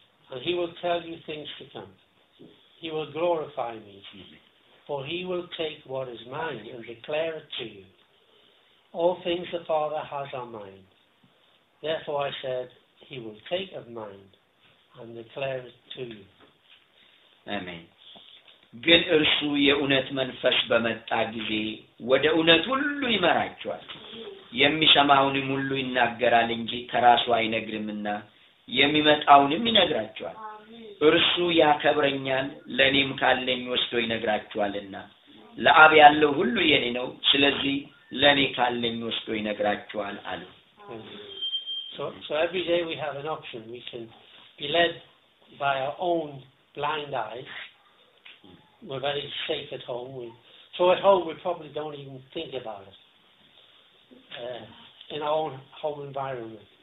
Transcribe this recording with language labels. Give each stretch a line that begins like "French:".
English: And he will tell you things to come. He will glorify me, for he will take what is mine and declare it to you. All things the Father has are mine. Therefore I said, he will take of mine and declare it to you. Amen.
Amharic: ግን እርሱ የእውነት መንፈስ በመጣ ጊዜ ወደ እውነት ሁሉ ይመራቸዋል የሚሰማውንም ሁሉ ይናገራል እንጂ ከራሱ አይነግርምና የሚመጣውንም ይነግራቸዋል እርሱ ያከብረኛል ለኔም ካለኝ ወስዶ ይነግራቸዋልና ለአብ ያለው ሁሉ የኔ ነው ስለዚህ ለኔ ካለኝ ወስዶ ይነግራቸዋል አለ
English: So every day we have an option we can be led by our own blind eyes We're very safe at home. We So at home we probably don't even think about it in our own home environment.